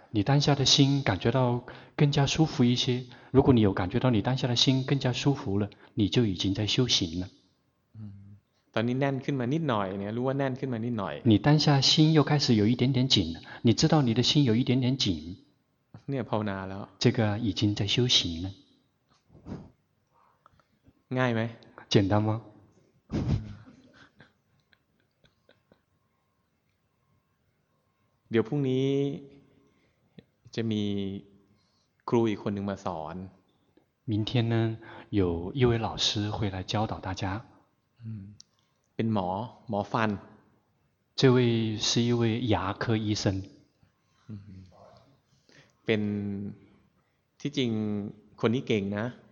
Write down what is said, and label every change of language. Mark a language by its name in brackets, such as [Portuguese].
[Chinese] 你当下的心感觉到更加舒服一些。如果你有感觉到你当下的心更加舒服了，你就已经在修行了。 [Thai] ตอนนี้แน่นขึ้นมานิดหน่อย，รู้ว่าแน่นขึ้นมานิดหน่อย。 [Chinese] 你当下心又开始有一点点紧了，你知道你的心有一点点紧。 [Thai] เนี่ยภาวนาแล้ว。 [Chinese] 这个已经在修行了。 [Thai] ง่ายไหม [Chinese] 简单吗 [Thai] เดี๋ยวพรุ่งนี้จะมีครูอีกคนหนึ่งมาสอน [Chinese] 明天呢有一位老师会来教导大家 [Thai] เป็นหมอฟัน [Chinese] 这位是一位牙科医生 [Thai] เป็นที่จริงคนนี้เก่งนะ